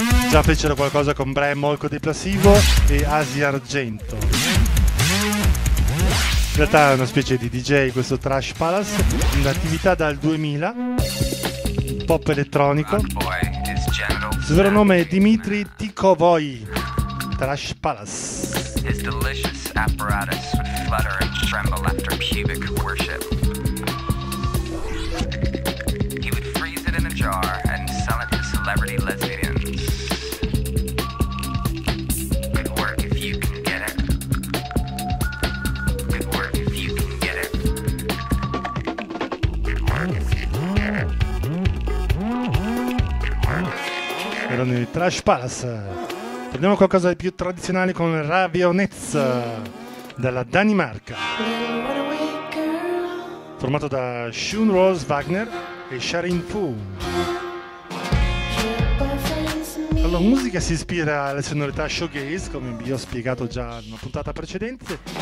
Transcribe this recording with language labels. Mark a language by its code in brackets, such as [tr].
[it] Già fecero qualcosa con Brian Molko di Placebo e Asi Argento. In realtà è una specie di DJ questo Trash Palace, in attività dal 2000. Pop elettronico. Il suo vero nome è Dimitri Tikovoi. Trash Palace. [en] His delicious apparatus would flutter and tremble after pubic worship. He would freeze it in a jar and sell it to celebrity lesbians. Good work if you can get it. Good work if you can get it. Good work if you can get it. [it] Erano i Trash Palace. Prendiamo qualcosa di più tradizionale con Ravionets dalla Danimarca, formato da Shun Rose Wagner e Sharin Poo. La loro musica si ispira alle sonorità shoegaze, come vi ho spiegato già in una puntata precedente.